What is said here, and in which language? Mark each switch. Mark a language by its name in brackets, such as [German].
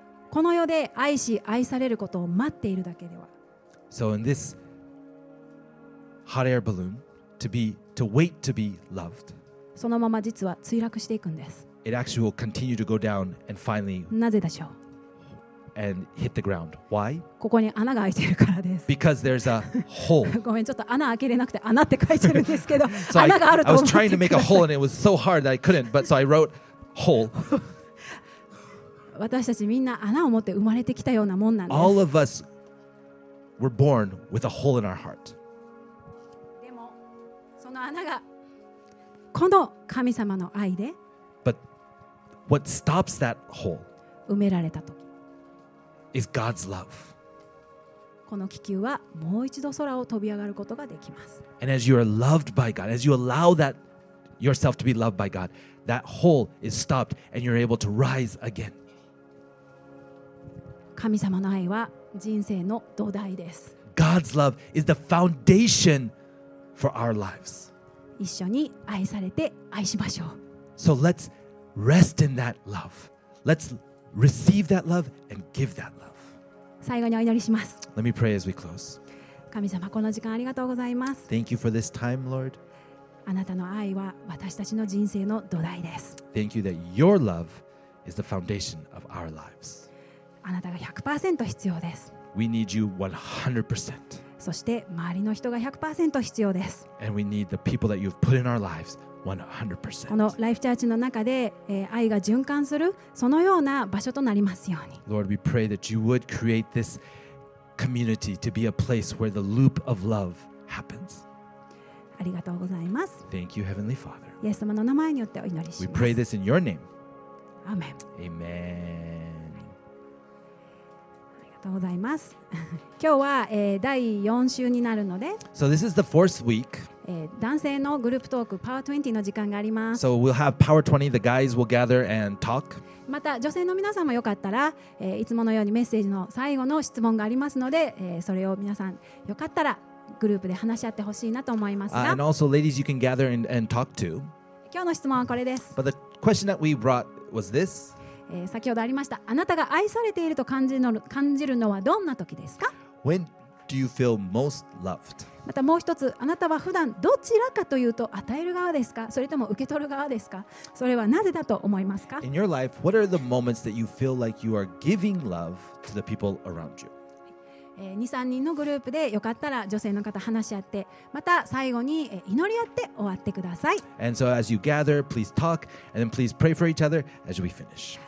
[Japanese] この世で愛し愛されることを待っているだけでは。 [English] So in this hot air balloon, to wait to be loved, [Japanese] そのまま実は墜落していくんです。 [English] It actually will continue to go down and finally, [Japanese] なぜでしょう? [English] And hit the ground. Why? [Japanese] ここに穴が開いているからです。 [English] Because there's a hole. [Japanese] ごめん、ちょっと穴開けれなくて穴って書いてるんですけど、穴があると思ってください。 [English] I was trying to make a hole and it was so hard that I couldn't, but so I wrote hole. [Japanese] 私たちみんな穴を持って生まれてきたようなもんなんです。 [English] All of us were born with a hole in our heart. [Japanese] でもその穴がこの神様の愛で、 [English] But what stops that hole? [Japanese] 埋められた時、 [English] is God's love. [Japanese] この気球はもう一度空を飛び上がることができます。 [English] And as you are loved by God, as you allow that yourself to be loved by God, that hole is stopped and you're able to rise again. [Japanese] 神様の愛は人生の土台です。 [English] God's love is the foundation for our lives. [Japanese] 一緒に愛されて愛しましょう。 [English] So let's rest in that love. Let's receive that love and give that love. [Japanese] 最後にお祈りします。 [English] Let me pray as we close. [Japanese] 神様、この時間ありがとうございます。 [English] Thank you for this time, Lord. [Japanese] あなたの愛は私たちの人生の土台です。 [English] Thank you that your love is the foundation of our lives. [Japanese] あなたが 100% 必要です。 [English] We need you 100%. [Japanese] そして周りの人が 100% 必要です。 [English] And we need the people that you've put in our lives 100%. [Japanese] このライフチャーチの中で、愛が循環するそのような場所となりますように。 [English] Lord, we pray that you would create this community to be a place where the loop of love happens. [Japanese] ありがとうございます。 [English] Thank you, Heavenly Father. [Japanese] イエス様の名前によってお祈りします。 [English] We pray this in your name. Amen. Amen. [Japanese] ありがとうございます。今日は、第4週になるので、 [English] So this is the fourth week. [Japanese] 男性のグループトーク、Power 20の時間があります。 [English] So we'll have Power 20, the guys will gather and talk. [Japanese] また女性の皆さんもよかったら、いつものようにメッセージの最後の質問がありますので、それを皆さんよかったらグループで話し合ってほしいなと思いますが、 [English] And also ladies, you can gather and talk too. [Japanese] 今日の質問はこれです。 [English] But the question that we brought was this. [Japanese] 先ほどありました。あなたが愛されていると感じるのはどんな時ですか? [English] When do you feel most loved? [Japanese] またもう一つ、あなたは普段どちらかというと与える側ですか? それとも受け取る側ですか?それはなぜだと思いますか? [English] In your life, what are the moments that you feel like you are giving love to the people around you? [Japanese] 2、3人のグループでよかったら女性の方話し合って、また最後に祈り合って終わってください。 [English] And so as you gather, please talk and then please pray for each other as we finish.